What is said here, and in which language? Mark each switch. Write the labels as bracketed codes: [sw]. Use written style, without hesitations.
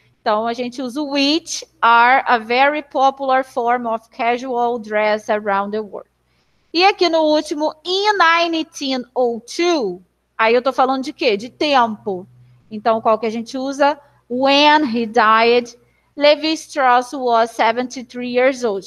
[pt] Então, a gente usa [en] which are a very popular form of casual dress around the world. [pt] E aqui no último, in 1902, aí eu tô falando de quê? De tempo. Então, qual que a gente usa? [en] When he died, Levi Strauss was 73 years old.